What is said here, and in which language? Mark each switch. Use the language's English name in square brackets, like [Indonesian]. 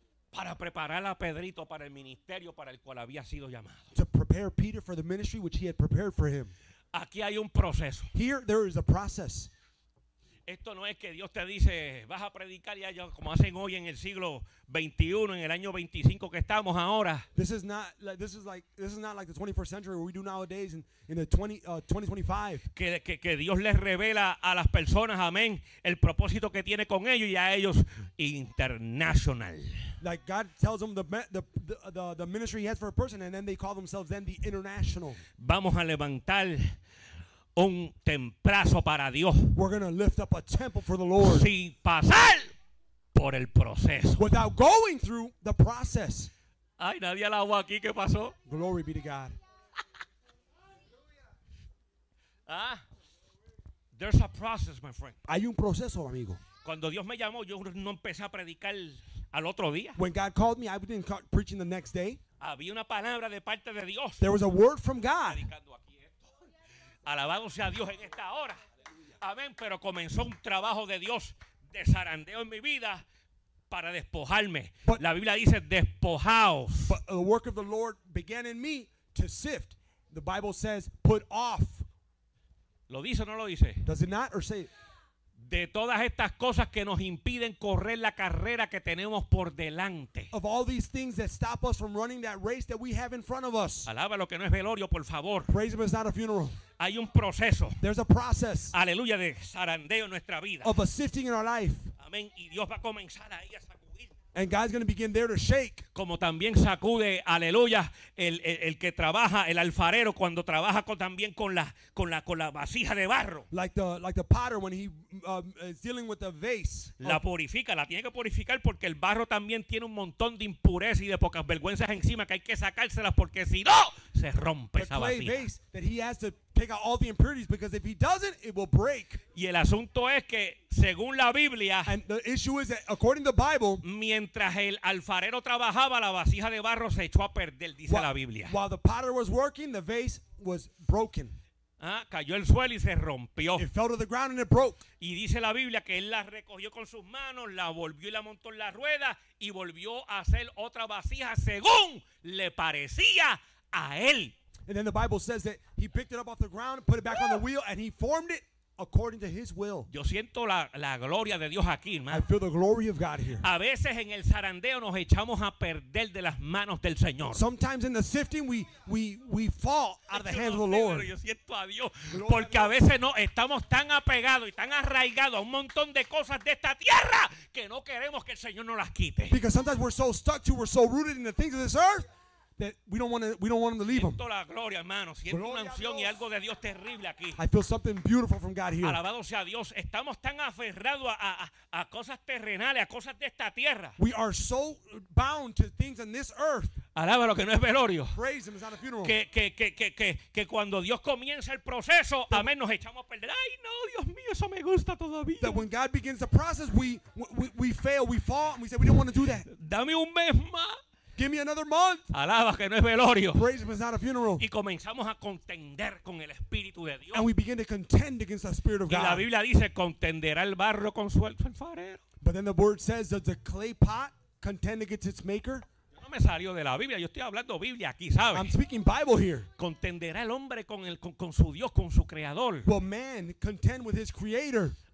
[Spanish] Para preparar a Pedrito para el ministerio para el cual había sido llamado. [English] To prepare Peter for the ministry which he had prepared for him. [Spanish] Aquí hay un proceso. [English] Here there is a process. [Spanish] Esto no es que Dios te dice, vas a predicar ya como hacen hoy en el siglo 21, en el año 25 que estamos ahora. [English] This is not like the 21st century where we do nowadays in the 2025. [Spanish] Que Dios les revela a las personas, amén, el propósito que tiene con ellos y a ellos international. [English] Like God tells them the ministry he has for a person and then they call themselves then the international. [Spanish] Vamos a levantar un templazo para Dios. [English] We're going to lift up a temple for the Lord. [Spanish] Sin pasar por el proceso. [English] Without going through the process. [Spanish] Ay, nadie alabó aquí. ¿Qué pasó? [English] Glory be to God. Ah, there's a process, my friend. [Spanish] Hay un proceso, amigo. Cuando Dios me llamó, yo no empecé a predicar al otro día. [English] When God called me, I didn't start preaching the next day. [Spanish] Había una palabra de parte de Dios. [English] There was a word from God. [Spanish] Alabado sea Dios en esta hora. Amén. Pero comenzó un trabajo de Dios de zarandeo en mi vida para despojarme. [English] But [Spanish] la Biblia dice despojaos. [English] The work of the Lord began in me to sift. The Bible says put off. [Spanish] ¿Lo dice o no lo dice? [English] Does it not or say it? [Spanish] de todas estas cosas que nos impiden correr la carrera que tenemos por delante. [English] Of all these things that stop us from running that race that we have in front of us. [Spanish] Alaba lo que no es velorio, por favor. [English] Praise him, it's not a funeral. [Spanish] Hay un proceso. [English] There's a process. [Spanish] Aleluya, de zarandeo en nuestra vida. [English] Of a sifting in our life. [Spanish] Amén. Y Dios va a comenzar ahí a sacudir. [English] And God's going to begin there to shake. [Spanish] Como también sacude, aleluya, el que trabaja, el alfarero, cuando trabaja con la vasija de barro. [English] Like the potter when he is dealing with the vase. [Spanish] La purifica, la tiene que purificar porque el barro también tiene un montón de impurezas y de pocas vergüenzas encima que hay que sacárselas porque si no, se rompe esa vasija. [English] The clay vase that he has to take out all the impurities because if he doesn't, it will break. [Spanish] Y el asunto es que, según la Biblia, [English] and the issue is that according to the Bible, [Spanish] mientras el alfarero trabajaba, la vasija de barro se echó a perder, dice la Biblia. [English] While the potter was working, the vase was broken. [Spanish] Ah, cayó el suelo y se rompió. [English] It fell to the ground and it broke. [Spanish] Y dice la Biblia que él la recogió con sus manos, la volvió y la montó en la rueda y volvió a hacer otra vasija según le parecía a él. [English] And then the Bible says that he picked it up off the ground, put it back on the wheel, and he formed it according to his will. [Spanish] Yo siento la gloria de Dios aquí, man. [English] I feel the glory of God here. [Spanish] A veces en el zarandeo nos echamos a perder de las manos del Señor. [English] Sometimes in the sifting we fall out of the hands of the Lord. [Spanish] Yo siento a Dios porque a veces no estamos tan apegados y tan arraigados a un montón de cosas de esta tierra que no queremos que el Señor nos las quite. [English] Because sometimes we're so stuck to, we're so rooted in the things of this earth that we don't want them to leave him. [Spanish] Siento la gloria, hermano. Siento una unción y algo de Dios terrible aquí. [English] I feel something beautiful from God here. [Spanish] Alabado sea Dios. Estamos tan aferrados a cosas terrenales, a cosas de esta tierra. [English] We are so bound to things in this earth. [Spanish] Alábalo que no es velorio. [English] Praise him, it's not a funeral. [Spanish] Que cuando Dios comienza el proceso, amén, nos echamos a perder. Ay, no, Dios mío, eso me gusta todavía. [English] That when God begins the process, we fail, we fall, and we say, we don't want to do that. [Spanish] Dame un mes más. [English] Give me another month. [Spanish] Alaba que no es velorio. [English] Praise him, it's not a funeral. [Spanish] Y comenzamos a contender con el Espíritu de Dios. [English] And we begin to contend against the Spirit of God. [Spanish] Y la Biblia dice, contenderá el barro con su alfarero. [English] But then the word says, does the clay pot contend against its maker? [Spanish] Yo no me salió de la Biblia. Yo estoy hablando Biblia aquí, ¿sabes? [English] I'm speaking Bible here. [Spanish] Contenderá el hombre con su Dios, con su Creador. [English] Will man contend with his Creator?